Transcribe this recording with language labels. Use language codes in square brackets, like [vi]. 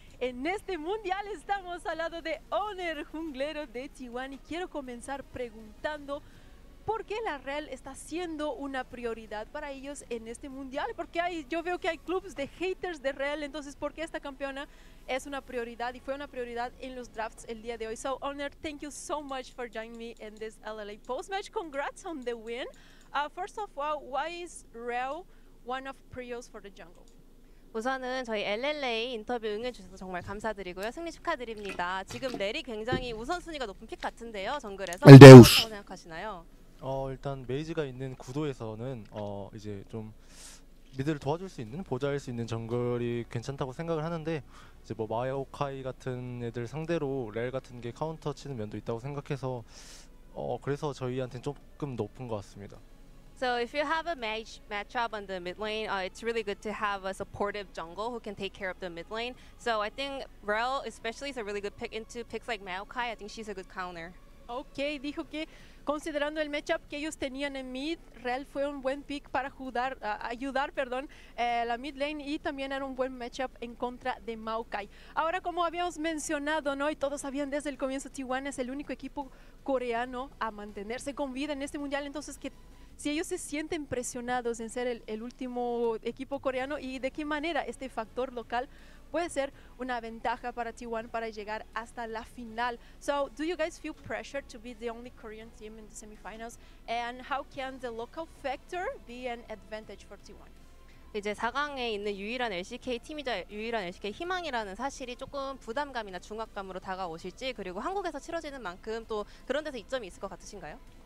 [es] En este mundial estamos al lado de Honor, junglero de Tiwan. Y quiero comenzar preguntando. ¿Por qué la Real está siendo una prioridad para ellos en este mundial? Porque hay, yo veo que hay clubes de haters de Real, entonces ¿por qué esta campeona es una prioridad y fue una prioridad en los drafts el día de hoy? [en] So, Honor, thank you so much for joining me in this LLA post-match. Congrats on the win. First of all, why is Real one of prios for the jungle? [ko] 우선은 저희 LLA 인터뷰 응해주셔서 정말 감사드리고요. 승리 축하드립니다. 지금 넬이 굉장히 우선순위가 높은 픽 같은데요. 정글에서 엘데우스 생각하시나요? 일단 메이지가 있는 구도에서는 이제 좀 미드를 도와줄 수 있는 보좌할 수 있는 정글이 괜찮다고 생각을 하는데 이제 뭐 마오카이 같은 애들 상대로 렐 같은 게 카운터 치는 면도 있다고 생각해서 그래서 저희한테는 조금 높은 것 같습니다. [en] So if you have a matchup on the mid lane, it's really good to have a supportive jungle who can take care of the mid lane. So I think Rell especially is a really good pick into picks like Maokai. I think she's a good counter. [es] Okay, dijo que considerando el matchup que ellos tenían en mid, Rell fue un buen pick para ayudar la mid lane y también era un buen matchup en contra de Maokai. Ahora, como habíamos mencionado, ¿no? Y todos sabían desde el comienzo, Tiwan es el único equipo coreano a mantenerse con vida en este mundial, entonces que si ellos se sienten presionados en ser el último equipo coreano y de qué manera este factor local puede ser una ventaja para Tiwan para llegar hasta la final. [en] So, do you guys feel pressured to be the only Korean team in the semifinals? And how can the local factor be an advantage for Tiwan? [ko] 이제 4강에 있는 유일한 LCK 팀이자 유일한 LCK 희망이라는 사실이 조금 부담감이나 중압감으로 다가오실지 그리고 한국에서 치러지는 만큼 또 그런 데서 이점이 있을 것 같으신가요?